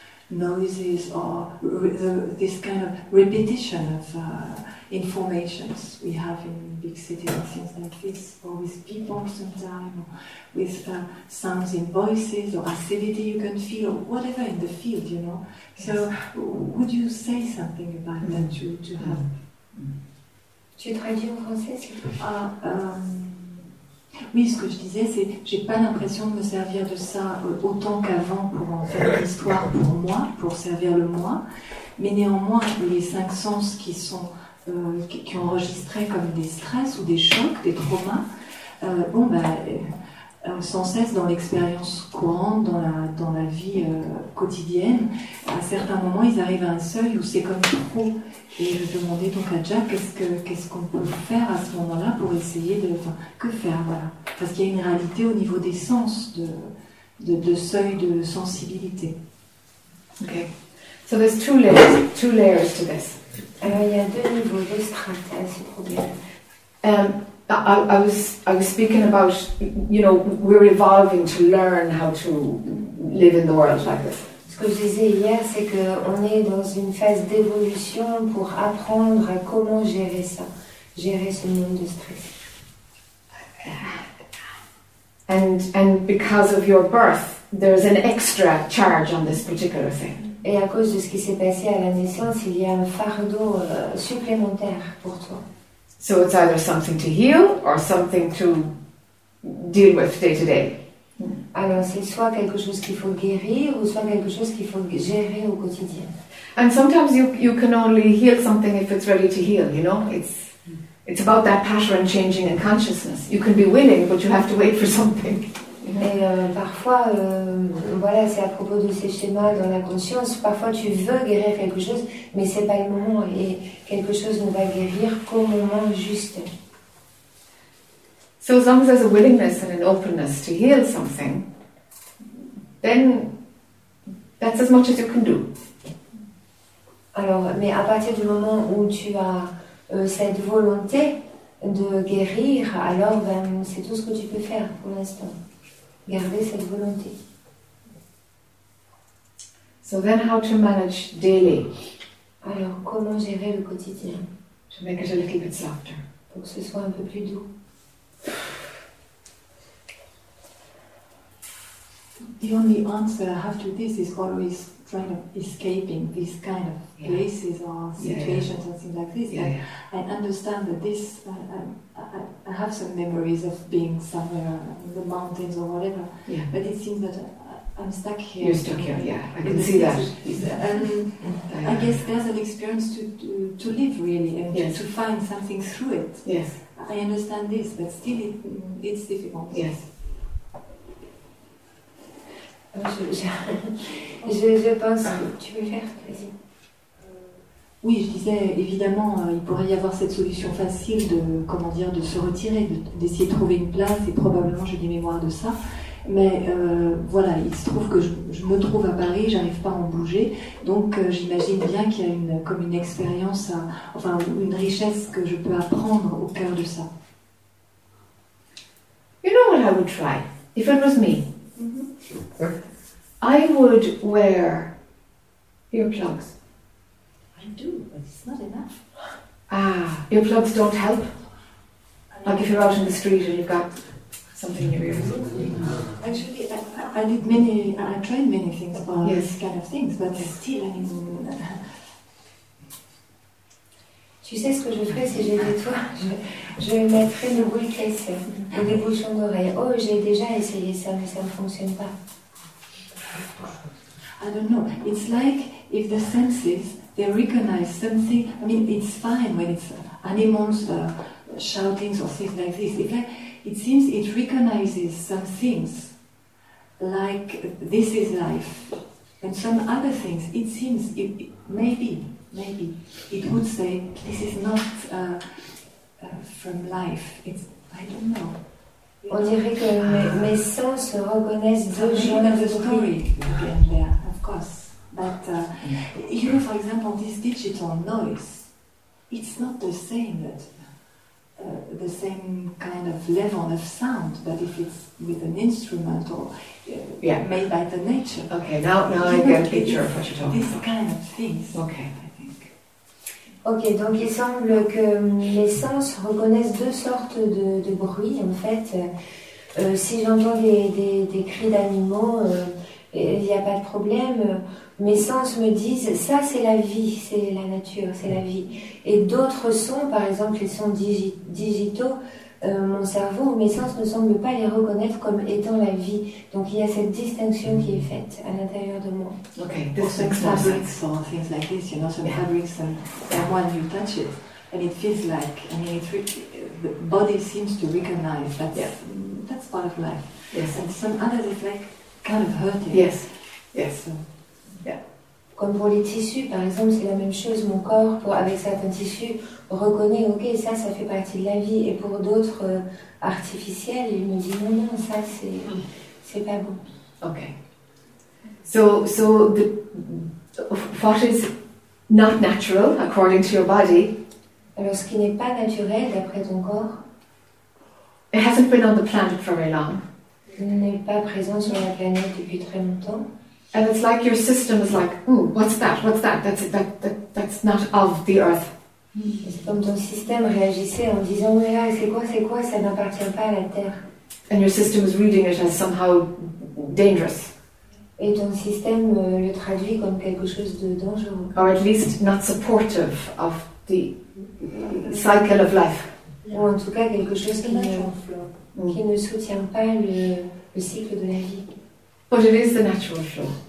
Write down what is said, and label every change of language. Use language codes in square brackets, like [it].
[en] Noises or this kind of repetition of informations we have in big cities and things like this, or with people sometimes, or with sounds in voices or acidity you can feel, whatever in the field, you know. Yes. So, would you say something about that to have? [fr] Tu traduis en français, s'il te plaît. Oui, ce que je disais, c'est que je n'ai pas l'impression de me servir de ça autant qu'avant pour en faire une histoire pour moi, pour servir le moi. Mais néanmoins, les cinq sens qui ont enregistré comme des stress ou des chocs, des traumas, sans cesse dans l'expérience courante, dans la vie quotidienne, à certains moments, ils arrivent à un seuil où c'est comme trop. Et je demandais donc à Jack qu'est-ce qu'on peut faire à ce moment-là pour essayer de. Enfin, que faire, voilà. Parce qu'il y a une réalité au niveau des sens, de seuil de sensibilité. [en] Ok. So there's two layers to this. [fr] Il y a deux niveaux de strates à ce problème. [en] I was speaking about, we're evolving to learn how to live in the world like this. [fr] Ce que je disais hier, c'est qu'on est dans une phase d'évolution pour apprendre à comment gérer ça, gérer ce monde de stress. [en] And because of your birth, there's an extra charge on this particular thing. [fr] Et à cause de ce qui s'est passé à la naissance, il y a un fardeau supplémentaire pour toi. [en] So it's either something to heal or something to deal with day to day. [fr] Alors c'est soit quelque chose qu'il faut guérir ou soit quelque chose qu'il faut gérer au quotidien. [en] And sometimes you can only heal something if it's ready to heal, you know? It's about that pattern changing in consciousness. You can be willing, but you have to wait for something. [fr] Mais parfois, voilà, c'est à propos de ces schémas dans la conscience. Parfois, tu veux guérir quelque chose, mais c'est pas le moment. Et quelque chose ne va guérir qu'au moment juste. [en] So as long as there's a willingness and an openness to heal something, then that's as much as you can do. [fr] Alors, mais à partir du moment où tu as cette volonté de guérir, alors ben, c'est tout ce que tu peux faire pour l'instant. Garder cette volonté. [en] So then how to manage daily? [fr] Alors, comment gérer le quotidien? [en] To make it a little bit softer. [fr] Pour que ce soit un peu plus doux. [en] The only answer after this is always trying to escaping these kind of places or situations and things like this. I understand that this, I have some memories of being somewhere in the mountains or whatever, but it seems that I'm stuck here. You're stuck here, yeah, I can see that. And I guess there's an experience to live really and to find something through it. Yes. I understand this, but still it's difficult. Yes. [fr] Je pense que tu veux faire, vas-y. Oui, je disais, évidemment, il pourrait y avoir cette solution facile de, comment dire, de se retirer, d'essayer de trouver une place, et probablement j'ai des mémoires de ça. Mais voilà, il se trouve que je me trouve à Paris, j'arrive pas à en bouger, donc j'imagine bien qu'il y a une expérience, enfin une richesse que je peux apprendre au cœur de ça. [en] You know what I would try, if it was me. I would wear earplugs. I do, but it's not enough. Ah, earplugs don't help? Like if you're out in the street and you've got something in your ears. Actually, I tried many things about this kind of things, but still, I mean... [fr] Tu sais ce que je ferais si j'étais toi? Je mettrais une boule caisse ou des bouchons d'oreille. Oh, j'ai déjà essayé ça, mais ça ne fonctionne pas. [en] I don't know. It's like if the senses, they recognize something. I mean, it's fine when it's animals shouting or things like this. It seems it recognizes some things, like this is life. And some other things, it seems, maybe, it would say this is not from life. It's, I don't know. [fr] On dirait que mes sens se reconnaissent deux genres de story. [en] Of course, but you know, for example, this digital noise, it's not the same that the same kind of level of sound. But if it's with an instrument or made by the nature, okay. Now I get a picture of what you're talking this about. This kind of things. Okay. [fr] Ok, donc il semble que les sens reconnaissent deux sortes de bruits, en fait. Si j'entends des cris d'animaux, il n'y a pas de problème. Mes sens me disent, ça c'est la vie, c'est la nature, c'est la vie. Et d'autres sons, par exemple les sons digitaux, mon cerveau, mes sens ne semblent pas les reconnaître comme étant la vie. Donc il y a cette distinction qui est faite à l'intérieur de moi. [en] Ok, fabrics or things like this, you know, some fabrics and someone you touch it and it feels like, I mean, the body seems to recognize that that's part of life. Yes. And some others it's like kind of hurting. Yes. Yes. So, [fr] comme pour les tissus, par exemple, c'est la même chose. Mon corps, avec certains tissus, reconnaît, ok, ça fait partie de la vie. Et pour d'autres artificiels, il me dit, non, ça, c'est pas bon. [en] Ok. So the, what is not natural, according to your body? [fr] Alors, ce qui n'est pas naturel, d'après ton corps? [en] It hasn't been on the planet for very long. [fr] N'est pas présent sur la planète depuis très longtemps. [en] And it's like your system is like, ooh, what's that? What's that? That's not of the earth. [fr] C'est comme ton système réagissait en disant, mais là, c'est quoi? Ça n'appartient pas à la terre. [en] And your system is reading it as somehow dangerous. [fr] Et ton système le traduit comme quelque chose de dangereux. [en] Or at least not supportive of the cycle of life. [fr] Ou en tout cas quelque chose qui gonfle, qui ne soutient pas le cycle de la vie. [en] But it is the natural flow.